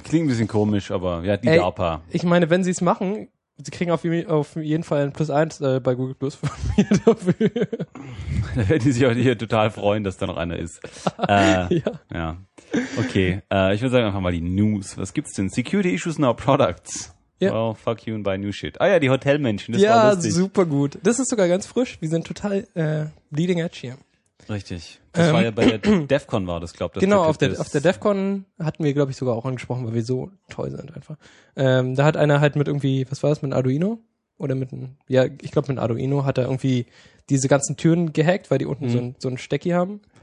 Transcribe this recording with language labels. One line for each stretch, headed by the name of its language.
German: Klingt ein bisschen komisch, aber ja, die DARPA. Ich meine, wenn sie es machen... Sie kriegen auf jeden Fall ein +1 bei Google Plus von mir dafür. Da werden die sich auch hier total freuen, dass da noch einer ist. Ja. Okay, ich würde sagen, einfach mal die News. Was gibt's denn?
English: Security issues in our products. Yeah. Well, fuck you and buy new shit.
German: Ah ja, die Hotelmenschen, das war lustig. Ja, super gut. Das ist sogar ganz frisch. Wir sind total leading edge hier. Richtig. Das war ja bei der DEFCON war das, glaube ich. Genau, auf der DEFCON hatten wir, glaube ich, sogar auch angesprochen, weil wir so toll sind einfach. Da hat einer halt mit irgendwie, was war das, mit einem Arduino? Oder mit einem, ja, ich glaube mit einem Arduino hat er irgendwie diese ganzen Türen gehackt, weil die unten so ein Stecki haben.